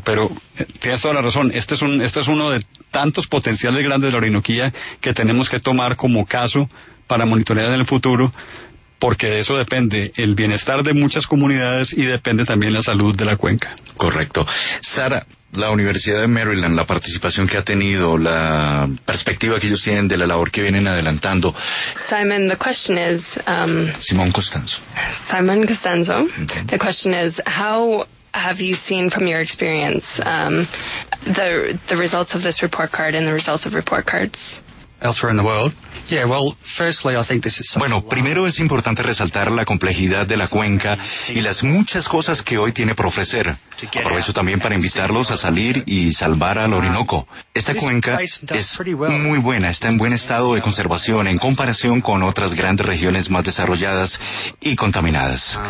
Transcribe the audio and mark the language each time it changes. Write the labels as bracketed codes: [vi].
[es] Pero tienes toda la razón, este es uno de tantos potenciales grandes de la Orinoquía que tenemos que tomar como caso para monitorear en el futuro, porque de eso depende el bienestar de muchas comunidades y depende también la salud de la cuenca. Correcto. Sara, la Universidad de Maryland, la participación que ha tenido, la perspectiva que ellos tienen de la labor que vienen adelantando. [en] Simon, the question is... Simon Costanzo. Mm-hmm. The question is, how have you seen from your experience the results of this report card and the results of report cards? Elsewhere in the world. Yeah, well, firstly, I think this is... [es] Bueno, primero es importante resaltar la complejidad de la cuenca y las muchas cosas que hoy tiene por ofrecer. Aprovecho también para invitarlos a salir y salvar al Orinoco. Esta cuenca es muy buena, está en buen estado de conservación en comparación con otras grandes regiones más desarrolladas y contaminadas.